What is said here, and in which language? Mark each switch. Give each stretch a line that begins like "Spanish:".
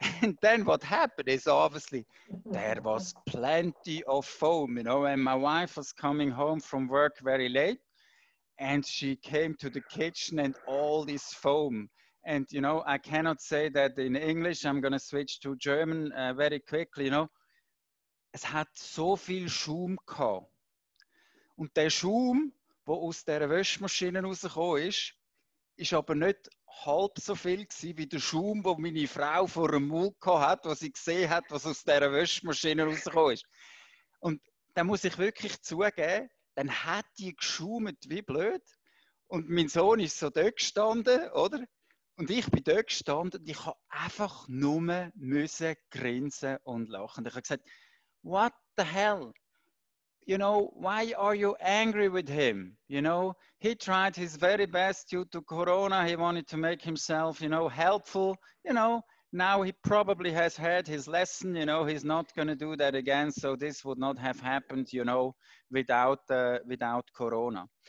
English: And then what happened is obviously there was plenty of foam, you know, and my wife was coming home from work very late. And she came to the kitchen and all this foam. And, you know, I cannot say that in English. I'm going to switch to German very quickly, you know.
German: Es hat so viel Schaum gehabt. Und der Schaum, wo aus der Wäschmaschine rausgekommen ist, ist aber nicht halb so viel gewesen wie der Schaum, wo meine Frau vor dem Mund gehabt hat, wo sie gesehen hat, was aus der Wäschmaschine rausgekommen ist. Und da muss ich wirklich zugeben, dann hat die geschaumt wie blöd. Und mein Sohn ist so dort gestanden, oder? Und ich bin dort gestanden und ich habe einfach nur müssen grinsen und lachen. Ich habe gesagt,
English: what the hell? You know, why are you angry with him? You know, he tried his very best due to Corona. He wanted to make himself, you know, helpful. You know, now he probably has had his lesson. You know, he's not going to do that again. So this would not have happened, you know, without Corona.